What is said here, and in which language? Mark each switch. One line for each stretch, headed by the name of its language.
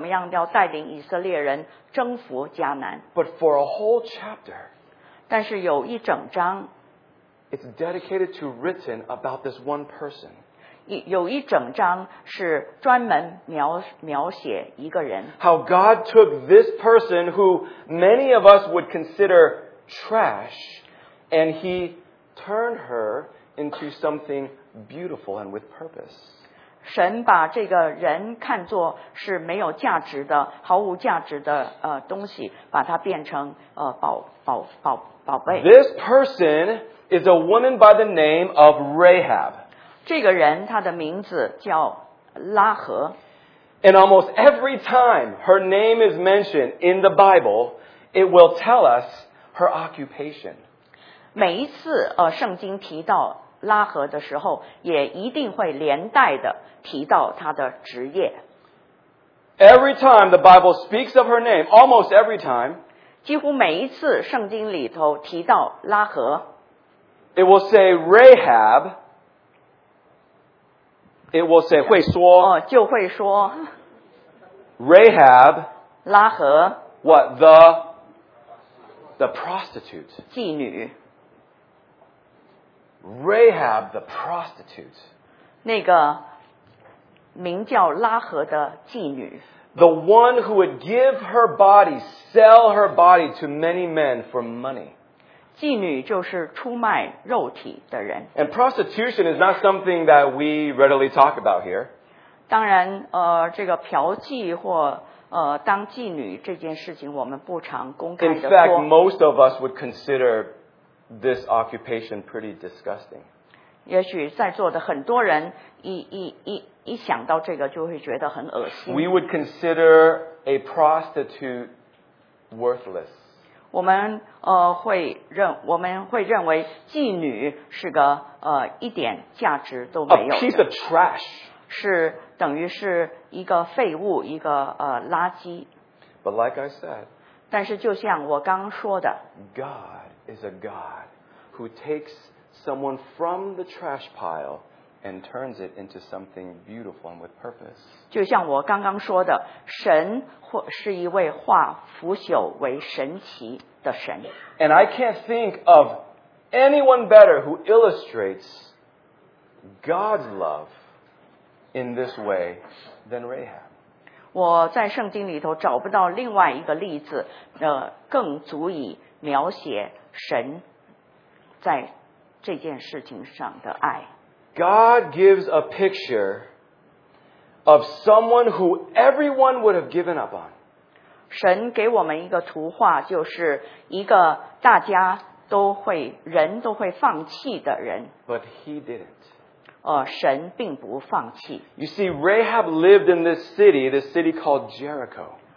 Chinese: 告诉我们神怎么样要带领以色列人征服迦南,
English: but for a whole chapter,
Chinese: 但是有一整章,
English: it's dedicated to written about this one person.
Chinese: 有一整章是专门描写一个人。
English: How God took this person who many of us would consider trash, and he turned her into something beautiful and with purpose.
Chinese: 神把这个人看作是没有价值的、毫无价值的东西，把它变成宝贝。
English: This person is a woman by the name of Rahab.
Chinese: 这个人, 她的名字叫拉合。
English: And almost every time her name is mentioned in the Bible, it will tell us her occupation.
Chinese: 每一次圣经提到拉合的时候，也一定会连带的提到他的职业。
English: Every time the Bible speaks of her name, almost every time,
Chinese: 几乎每一次圣经里头提到拉合，
English: it will say Rahab, it will say
Chinese: 会说，就会说
English: Rahab,
Chinese: 拉合
English: what the prostitute,
Chinese: 妓女
English: Rahab the prostitute,
Chinese: 那个名叫拉合的妓女。
English: The one who would give her body, sell her body to many men for money.
Chinese: 妓女就是出卖肉体的人。
English: And prostitution is not something that we readily talk about here.
Chinese: 当然，这个嫖妓或当妓女这件事情，我们不常公开的说。
English: In fact, most of us would consider this occupation pretty disgusting.
Chinese: 也许在座的很多人一想到这个就会觉得很恶心。
English: We would consider a prostitute worthless.
Chinese: 我们会认为妓女是个一点价值都没有。
English: A piece of trash.
Chinese: 是等于是一个废物，一个垃圾。
English: But like I said.
Chinese: 但是就像我刚说的。
English: God is a God who takes someone from the trash pile. And turns it into something beautiful and with purpose.
Chinese: 就像我刚刚说的，神是一位化腐朽为神奇的神。
English: And I can't think of anyone better who illustrates God's love in this way than Rahab.
Chinese: 我在圣经里头找不到另外一个例子，更足以描写神在这件事情上的爱。
English: God gives a picture of someone who everyone would have given up on.
Chinese: 神给我们一个图画，就是一个大家都会人都会放弃的人。
English: But he didn't.
Chinese: 神并不放弃。
English: You see, Rahab lived in this city called Jericho.